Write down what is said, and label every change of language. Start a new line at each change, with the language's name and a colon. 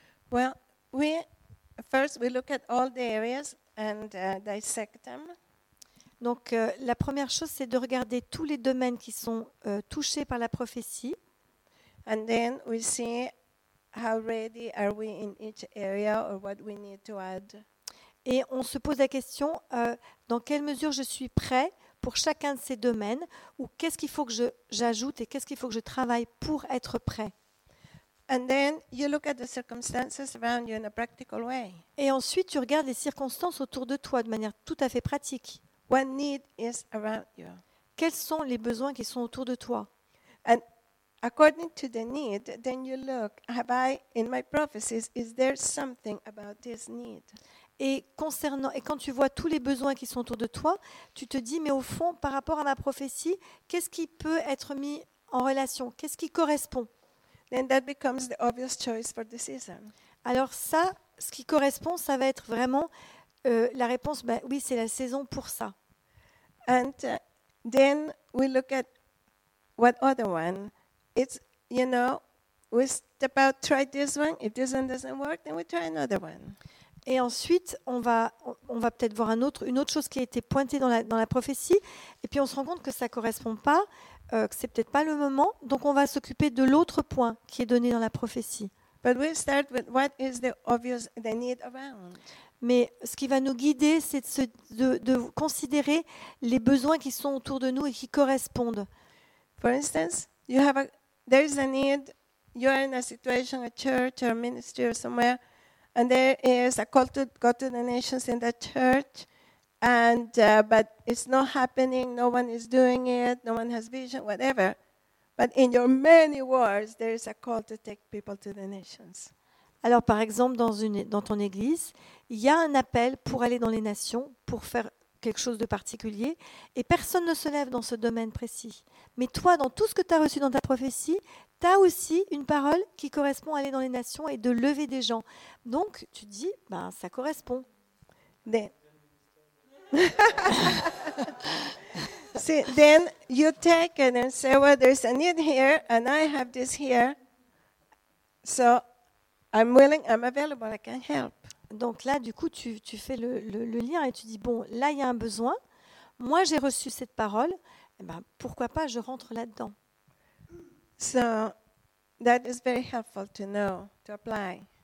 English: Well, we first we look at all the areas and dissect them.
French: Donc la première chose c'est de regarder tous les domaines qui sont touchés par la prophétie.
English: And then we see how ready are we in each area or what we need to add.
French: Et on se pose la question dans quelle mesure je suis prêt pour chacun de ces domaines ou qu'est-ce qu'il faut que j'ajoute et qu'est-ce qu'il faut que je travaille pour être prêt.
English: And then you look at the circumstances around you in a practical way.
French: Et ensuite tu regardes les circonstances autour de toi de manière tout à fait pratique.
English: What need is around you?
French: Quels sont les besoins qui sont autour de toi?
English: And according to the need, then you look, have I in my prophecies, is there something about this need?
French: Et quand tu vois tous les besoins qui sont autour de toi, tu te dis mais au fond par rapport à ma prophétie, qu'est-ce qui peut être mis en relation? Qu'est-ce qui correspond?
English: Then that becomes the obvious choice for the season.
French: Alors ça, ce qui correspond, ça va être vraiment la réponse, ben oui, c'est la saison pour ça.
English: And then we look at what other one. It's, you know, we step out, try this one. If this one doesn't work, then we try another one.
French: Et ensuite, on va peut-être voir une autre chose qui a été pointée dans la prophétie. Et puis on se rend compte que ça ne correspond pas. Que c'est peut-être pas le moment, donc on va s'occuper de l'autre point qui est donné dans la prophétie.
English: But we start with what is the obvious, the need around.
French: Mais ce qui va nous guider, c'est de considérer les besoins qui sont autour de nous et qui correspondent.
English: For instance, you have there is a need. You are in a situation, a church or a ministry or somewhere, and there is a call to go to the nations in that church. And but it's not happening. No one is doing it. No one has vision. Whatever. But in your many words, there is a call to take people to the nations.
French: Alors, par exemple, dans ton église, il y a un appel pour aller dans les nations pour faire quelque chose de particulier, et personne ne se lève dans ce domaine précis. Mais toi, dans tout ce que tu as reçu dans ta prophétie, tu as aussi une parole qui correspond à aller dans les nations et de lever des gens. Donc, tu dis, ben, ça correspond.
English: Then. See, then you take it and say, well, there's a need here and I have this here, so I'm willing, I'm available, I can help.
French: Donc là du coup tu fais le lien et tu dis bon, là il y a un besoin, moi j'ai reçu cette parole, et ben pourquoi pas je rentre là-dedans.
English: So that is very helpful to know, to apply.